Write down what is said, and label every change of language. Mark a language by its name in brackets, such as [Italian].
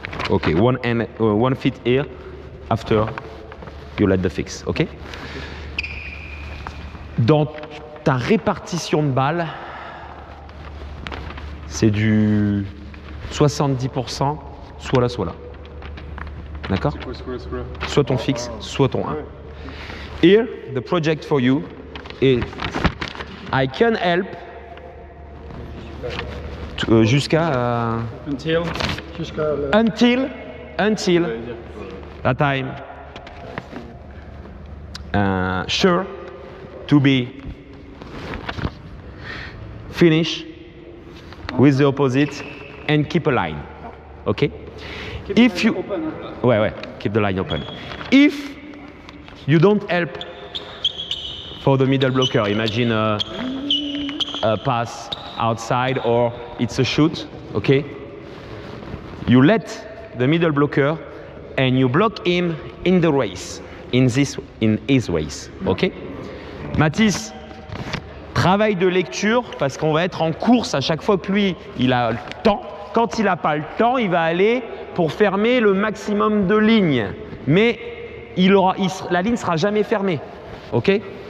[English] ok, one hand, one feet here, after you let the fix, ok? [French] Dans ta répartition de balles, c'est du 70% soit là, soit là. D'accord? Soit ton fixe, soit ton 1. [English] Here, the project for you is I can help [French] jusqu'à [English] until that time. Sure to be finish with the opposite and keep a line. Okay? Keep if you open. Wait, keep the line open. If you don't help for the middle blocker, imagine a pass outside or it's a shoot, okay? You let the middle blocker and you block him in the race. In his ways, ok? [French] Mathis, travail de lecture, parce qu'on va être en course à chaque fois que lui, il a le temps. Quand il n'a pas le temps, il va aller pour fermer le maximum de lignes. Mais la ligne ne sera jamais fermée, ok?